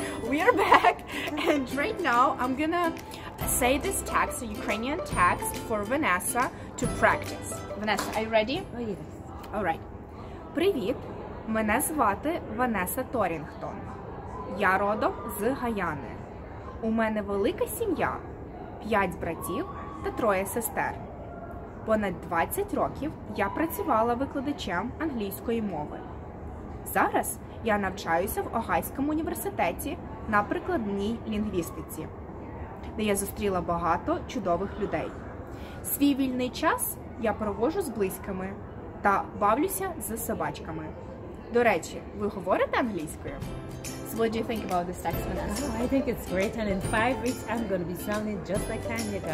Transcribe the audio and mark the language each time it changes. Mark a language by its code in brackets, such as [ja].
[en] We are back, and right now I'm gonna say this text, a Ukrainian text, for Vanessa to practice. Vanessa, are you ready? Oh, yes. All right. [uk] Привіт, мене звати Ванесса Торінгтон. Я родом з Гаяни. У мене велика сім'я, п'ять братів та троє сестер. Понад 20 років я працювала викладачем англійської мови. Зараз я навчаюся в Огайському університеті на прикладній лінгвістиці, де я зустріла багато чудових людей. Свій вільний час я проводжу з близькими та бавлюся з собачками. До речі, ви говорите англійською? [en] So what do you think about this text, Vanessa? Oh, I think it's great, and in 5 weeks I'm going to be sounding just like Tanya.